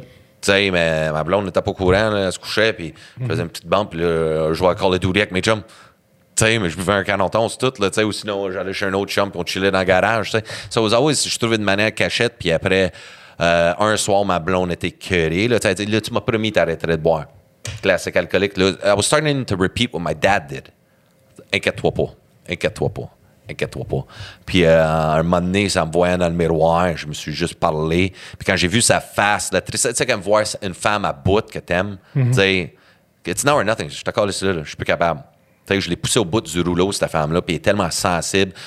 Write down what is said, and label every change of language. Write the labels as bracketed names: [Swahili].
[French] Tu sais, mais ma blonde n'était pas au courant, là, elle se couchait, puis je faisais une petite bande, puis là, je jouais à Call of Duty avec mes chums. Tu sais, mais je buvais un canonton, c'est tout, là, tu sais, ou sinon, j'allais chez un autre chum, puis on chillait dans le garage, tu sais. Ça was always, je trouvais une manière cachette, puis après, un soir, ma blonde était curée, là, tu sais, là, tu m'as promis que t'arrêterais de boire. Classique alcoolique. [English] I was starting to repeat what my dad did. [French] Inquiète-toi pas. Puis un moment donné, ça me voyait dans le miroir, je me suis juste parlé. Puis quand j'ai vu sa face, la tristesse, tu sais, quand voir une femme à bout que t'aimes, tu sais, [English] it's now or nothing. [French] Je t'accorde ici, je suis plus capable. Tu sais, je l'ai poussé au bout du rouleau, cette femme-là, puis elle est tellement sensible.